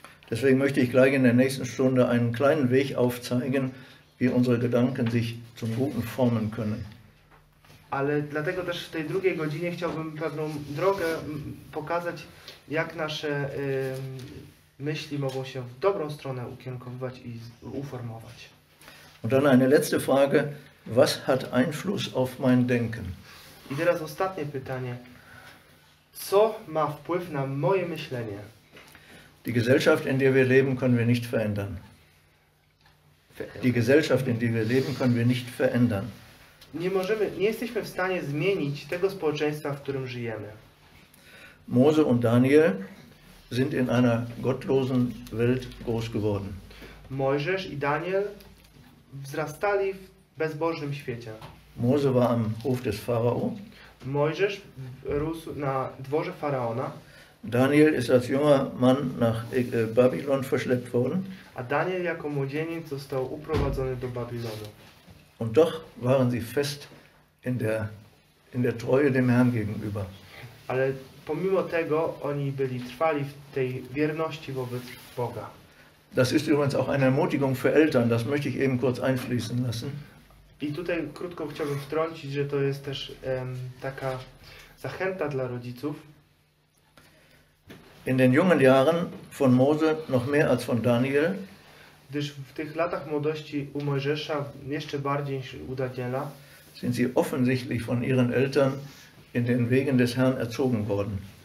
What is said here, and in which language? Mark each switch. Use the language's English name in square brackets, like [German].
[German] Deswegen möchte ich gleich in der nächsten Stunde einen kleinen Weg aufzeigen, wie unsere Gedanken sich zum Guten formen können. [Polish] Ale dlatego też w tej drugiej godzinie chciałbym pewną drogę pokazać, jak nasze myśli mogą się w dobrą stronę ukierunkowywać i uformować. [German] Und dann eine letzte Frage. Was hat Einfluss auf mein Denken? [Polish] I teraz ostatnie pytanie. Co ma wpływ na moje myślenie? [German] Die Gesellschaft, in der wir leben, können wir nicht verändern. Die Gesellschaft, in der wir leben, können wir nicht verändern. [Polish] Nie możemy, nie jesteśmy w stanie zmienić tego społeczeństwa, w którym żyjemy. [German] Mose und Daniel sind in einer gottlosen Welt groß geworden. [Polish] Mojżesz i Daniel wzrastali w bezbożnym świecie. [German] Mose war am Hof des Pharao. [Polish] Mojżesz rósł na dworze Faraona. [German] Daniel ist als junger Mann nach Babylon verschleppt worden. [Polish] A Daniel jako młodzieniec został uprowadzony do Babilonu. [German] Und doch waren sie fest in der Treue dem Herrn gegenüber. [Polish] Ale pomimo tego oni byli trwali w tej wierności wobec Boga. [German] Das ist übrigens auch eine Ermutigung für Eltern, das möchte ich eben kurz einfließen lassen. [Polish] I tutaj krótko chciałbym wtrącić, że to jest też taka zachęta dla rodziców. [German] In den jungen Jahren von Mose noch mehr als von Daniel. [Polish] Gdyż w tych latach młodości u Mojżesza jeszcze bardziej niż u Daniela. [German] Sind sie offensichtlich von ihren Eltern in den Wegen des Herrn erzogen worden.